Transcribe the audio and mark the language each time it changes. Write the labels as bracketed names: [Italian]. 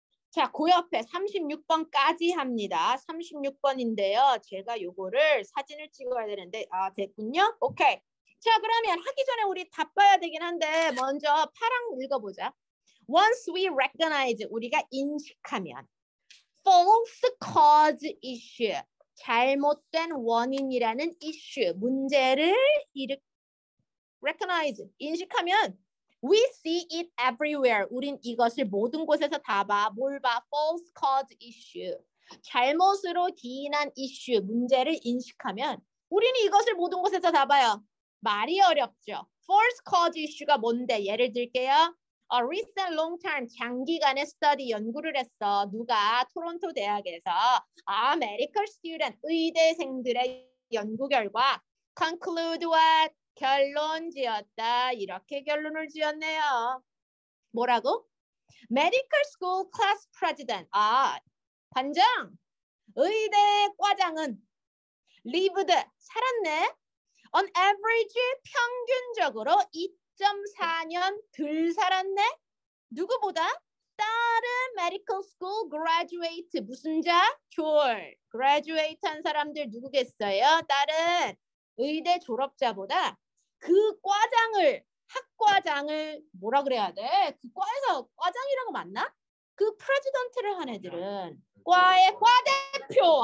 [Korean] 자, 그 옆에 36번까지 합니다. 36번인데요. 제가 요거를 사진을 찍어야 되는데 아 됐군요. 오케이. 자, 그러면 하기 전에 우리 다 봐야 되긴 한데 먼저 파랑 읽어보자. [English] Once we recognize, [Korean] 우리가 인식하면 [English] false cause issue, [Korean] 잘못된 원인이라는 [English] issue, 문제를 recognize, [Korean] 인식하면 [English] We see it everywhere. [Korean] 우린 이것을 모든 곳에서 다 봐. 뭘 봐? [English] False cause issue. [Korean] 잘못으로 기인한 issue, 문제를 인식하면 우린 이것을 모든 곳에서 다 봐요. 말이 어렵죠. [English] False cause issue가 뭔데? [Korean] 예를 들게요. [English] A recent long term, 장기간의 study, [Korean] 연구를 했어. 누가? 토론토 대학에서. 아, [English] medical student, [Korean] 의대생들의 연구 결과. [English] Conclude what? [Korean] 결론 지었다. 이렇게 결론을 지었네요. 뭐라고? [English] Medical school class president. [Korean] 아, 반장. 의대 과장은 lived, 살았네. [English] On average, [Korean] 평균적으로 2.4년 덜 살았네. 누구보다? [English] 다른 medical school graduate. [Korean] 무슨 자? 졸. graduate 한 사람들 누구겠어요? 다른 의대 졸업자보다 그 과장을, 학과장을 뭐라 그래야 돼? 그 과에서 과장이란 거 맞나? 그 프레지던트를 한 애들은 과의 과대표!